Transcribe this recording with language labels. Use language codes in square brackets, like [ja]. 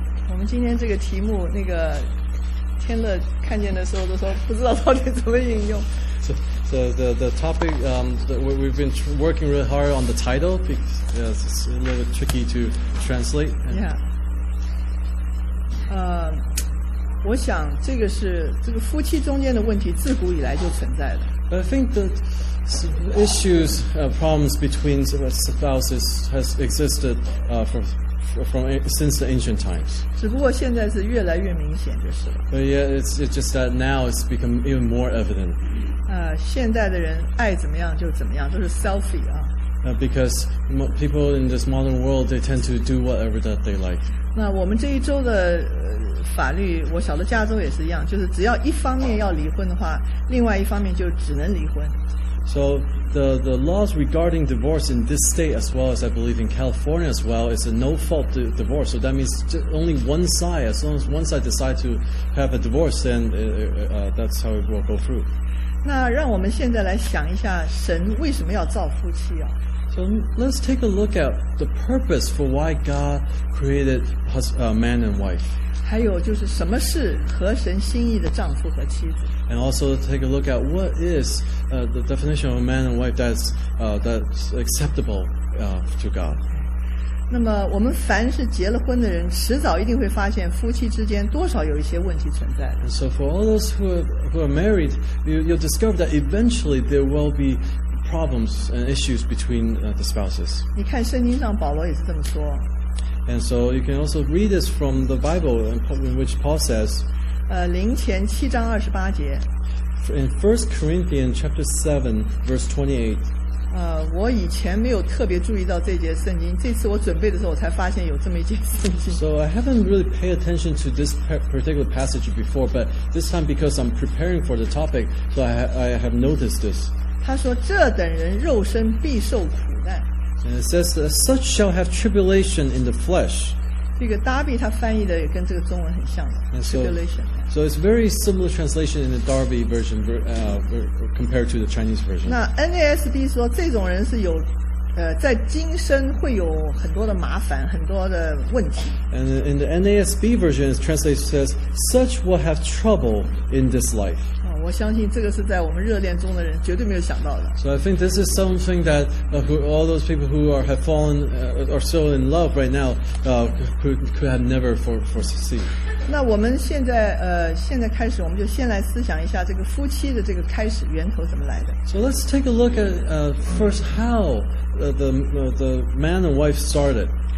[zh] 我们今天这个题目，那个天乐看见的时候都说不知道到底怎么运用。 [en] So the topic, we've been working really hard on the title because yeah, it's a little bit tricky to translate. Yeah. [zh] 我想这个是这个夫妻中间的问题，自古以来就存在的。 [en] But I think the issues, problems between spouses has existed from since the ancient times. [zh] 只不过现在是越来越明显，就是了。 [en] But yeah, it's just that now it's become even more evident. [zh] 现在的人爱怎么样就怎么样，都是 selfie 啊。 [en] Because people in this modern world, they tend to do whatever that they like. [zh] 那我们这一周的法律，我晓得加州也是一样，就是只要一方面要离婚的话，另外一方面就只能离婚。 [en] So the laws regarding divorce in this state, as well as I believe in California as well, is a no-fault divorce. So that means only one side, as long as one side decides to have a divorce, then that's how it will go through. [zh] 那让我们现在来想一下，神为什么要造夫妻啊？ [en] So let's take a look at the purpose for why God created man and wife. [zh] 还有就是什么是合神心意的丈夫和妻子。 [en] And also take a look at what is the definition of a man and wife that's acceptable to God. [zh] 那么我们凡是结了婚的人，迟早一定会发现夫妻之间多少有一些问题存在。 [en] And so for all those who are married, you'll discover that eventually there will be problems and issues between the spouses. [zh] 你看圣经上保罗也是这么说。 [en] And so you can also read this from the Bible in which Paul says, [zh] 林前七章二十八节。 [en] In 1 Corinthians chapter 7, verse 28. [zh] 我以前没有特别注意到这节圣经，这次我准备的时候我才发现有这么一节圣经。 [en] So I haven't really paid attention to this particular passage before, but this time because I'm preparing for the topic, so I have noticed this. [zh] 他说这等人肉身必受苦难。 [en] And it says, such shall have tribulation in the flesh. [zh] 这个 Darby 他翻译的也跟这个中文很像的 tribulation. [en] So it's very similar translation in the Darby version compared to the Chinese version. [zh] 那 NASB 说这种人是有在今生会有很多的麻烦，很多的问题。 [en] And in the NASB version, it translates says, such will have trouble in this life. [zh] 我相信这个是在我们热恋中的人绝对没有想到的。 [en] So I think this is something that all those people who have fallen or so in love right now could have never foreseen. [zh] 那我们现在开始，我们就先来思想一下这个夫妻的这个开始源头怎么来的。 [en] So let's take a look at first how the man and wife started.